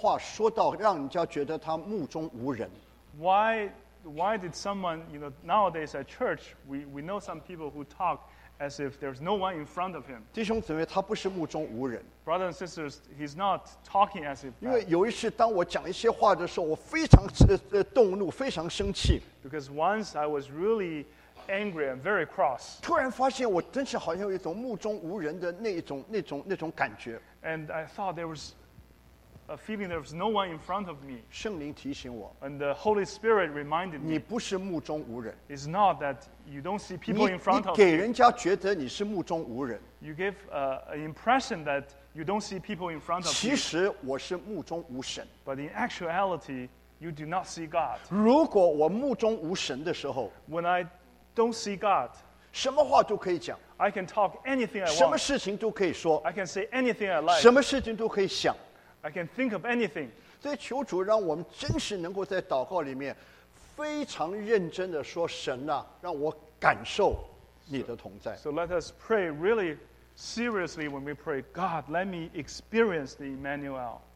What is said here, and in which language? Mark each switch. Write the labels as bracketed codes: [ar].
[zh] 为什么今天在教会里面有些人说话说到让人家觉得他目中无人? [en] Why did someone, you know, nowadays at church, we know some people who talk as if there's no one in front of him. [zh] 弟兄姊妹，他不是目中无人。 [en] Brothers and sisters, he's not talking as if that. [zh] 因为有一次当我讲一些话的时候，我非常动怒，非常生气。 [en] Because once I was really angry and very cross. [zh] 突然发现我真是好像有一种目中无人的那种感觉。 [en] And I thought there was a feeling there was no one in front of me. [zh] 圣灵提醒我, [en] and the Holy Spirit reminded me. [zh] 你不是目中无人, [en] it's not that you don't see people [zh] 你, [en] in front of you. [zh] 你给人家觉得你是目中无人, [en] you give an impression that you don't see people in front of you. [zh] 其实我是目中无神, [en] but in actuality, you do not see God. [zh] 如果我目中无神的时候, [en] when I don't see God, [zh] 什么话都可以讲, [en] I can talk anything I want. [zh] 什么事情都可以说, [en] I can say anything I like. [zh] 什么事情都可以想, [en] I can think of anything. [zh] 所以求主让我们真实能够在祷告里面非常认真地说神啊, 让我感受你的同在。 [en] So let us pray really seriously when we pray, God, let me experience the Emmanuel.